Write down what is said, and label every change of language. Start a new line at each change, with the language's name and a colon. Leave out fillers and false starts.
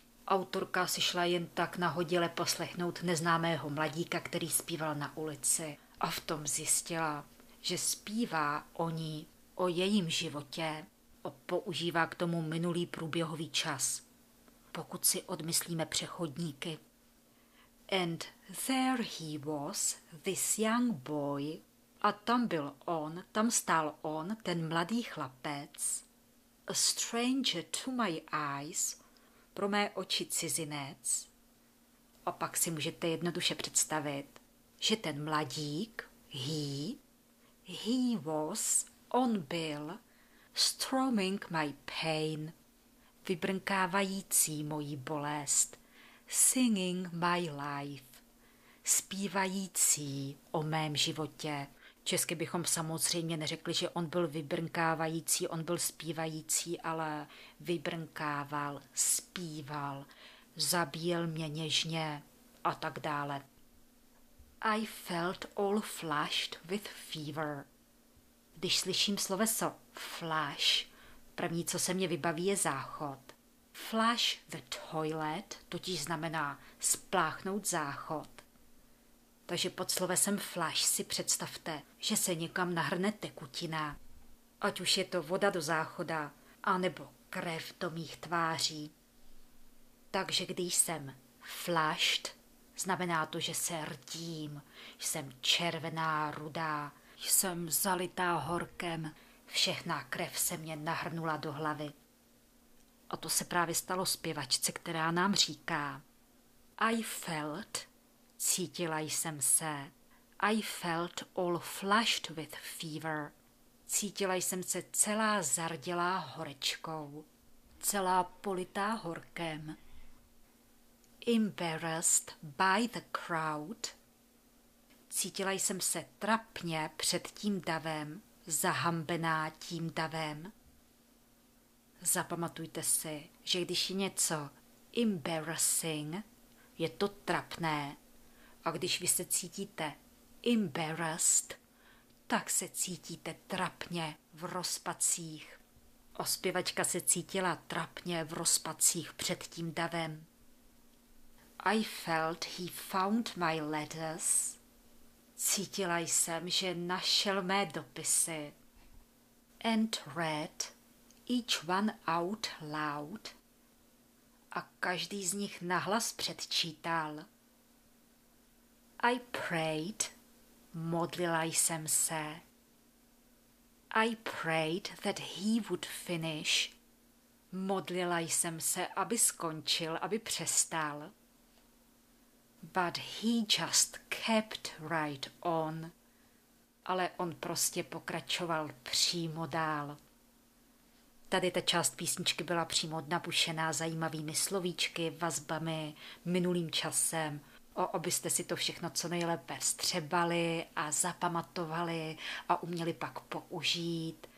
Czech: Autorka si šla jen tak nahodile poslechnout neznámého mladíka, který zpíval na ulici. A v tom zjistila, že zpívá o ní, o jejím životě. A používá k tomu minulý průběhový čas. Pokud si odmyslíme přechodníky.
English: And there he was, this young boy.
Czech: A tam byl on, tam stál on, ten mladý chlapec.
English: A stranger to my eyes,
Czech: pro mé oči cizinec. A pak si můžete jednoduše představit, že ten mladík,
English: he was,
Czech: on byl,
English: storming my pain,
Czech: vybrnkávající moji bolest,
English: singing my life,
Czech: zpívající o mém životě. Česky bychom samozřejmě neřekli, že on byl vybrnkávající, on byl zpívající, ale vybrnkával, zpíval, zabíjel mě něžně a tak dále.
English: I felt all flushed with fever.
Czech: Když slyším sloveso flush, první, co se mě vybaví, je záchod.
English: Flush the toilet
Czech: totiž znamená spláchnout záchod. Takže pod slovesem flush si představte, že se někam nahrne tekutina. Ať už je to voda do záchoda, anebo krev do mých tváří. Takže když jsem flushed, znamená to, že se rtím, jsem červená, rudá, jsem zalitá horkem, všechna krev se mě nahrnula do hlavy. A to se právě stalo zpěvačce, která nám říká
English: I felt...
Czech: Cítila jsem se.
English: I felt all flushed with fever.
Czech: Cítila jsem se celá zardělá horečkou. Celá politá horkem.
English: Embarrassed by the crowd.
Czech: Cítila jsem se trapně před tím davem. Zahambená tím davem. Zapamatujte si, že když je něco embarrassing, je to trapné. A když vy se cítíte embarrassed, tak se cítíte trapně v rozpacích. Ospěvačka se cítila trapně v rozpacích před tím davem.
English: I felt he found my letters.
Czech: Cítila jsem, že našel mé dopisy.
English: And read each one out loud.
Czech: A každý z nich nahlas předčítal.
English: I prayed,
Czech: modlila jsem se.
English: I prayed that he would finish.
Czech: Modlila jsem se, aby skončil, aby přestal.
English: But he just kept right on.
Czech: Ale on prostě pokračoval přímo dál. Tady ta část písničky byla přímo napušená zajímavými slovíčky, vazbami, minulým časem. Abyste si to všechno co nejlépe vstřebali a zapamatovali a uměli pak použít.